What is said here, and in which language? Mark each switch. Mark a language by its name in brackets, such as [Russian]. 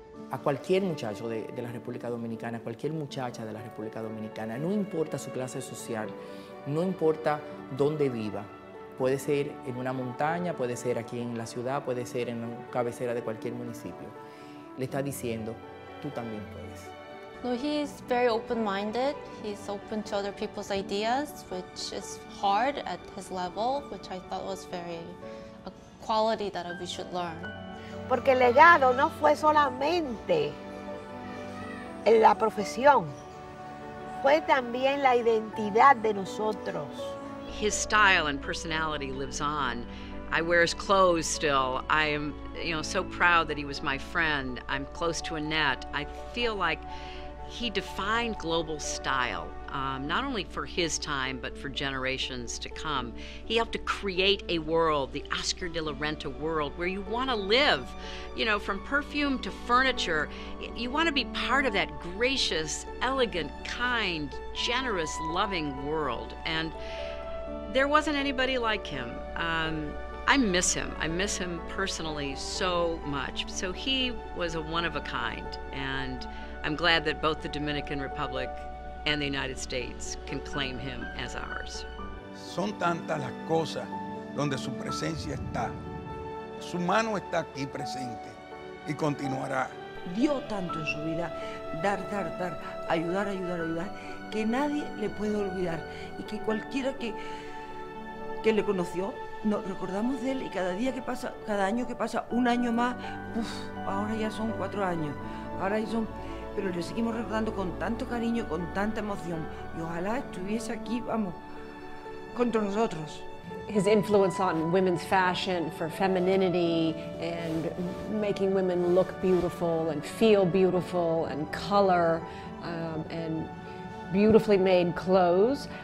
[Spanish] A cualquier muchacho de la República Dominicana, a cualquier muchacha de la República Dominicana, no importa su clase social, no importa dónde viva, puede ser en una montaña, puede ser aquí en la ciudad, puede ser en la cabecera de cualquier municipio, le está diciendo, tú también puedes. [English] No, he is very open-minded. He's open to other people's ideas, which is hard at his level, which I thought was very a quality that we should learn. [Spanish] Porque el legado no fue solamente en la profesión, fue también la identidad de nosotros. [English] His style and personality lives on. I wear his clothes still. I am, you know, so proud that he was my friend. I'm close to Annette. I feel like he defined global style, not only for his time, but for generations to come. He helped to create a world, the Oscar de la Renta world, where you want to live, you know, from perfume to furniture. You want to be part of that gracious, elegant, kind, generous, loving world. And there wasn't anybody like him. I miss him. I miss him personally so much. So he was a one of a kind, and I'm glad that both the Dominican Republic and the United States can claim him as ours. [Spanish] Son tantas las cosas donde su presencia está. Su mano está aquí presente y continuará. Dio tanto en su vida, dar, dar, dar, ayudar, ayudar, ayudar, que nadie le puede olvidar y que cualquiera que le conoció, nos recordamos de él y cada día que pasa, cada año que pasa, un año más, uf, ahora ya son 4 años, ahora ya son... Pero le seguimos recordando con tanto cariño, con tanta emoción. Y ojalá estuviese aquí, vamos, contra nosotros. [English] His influence on women's fashion, for femininity, and making women look beautiful and feel beautiful and color, and beautifully made clothes.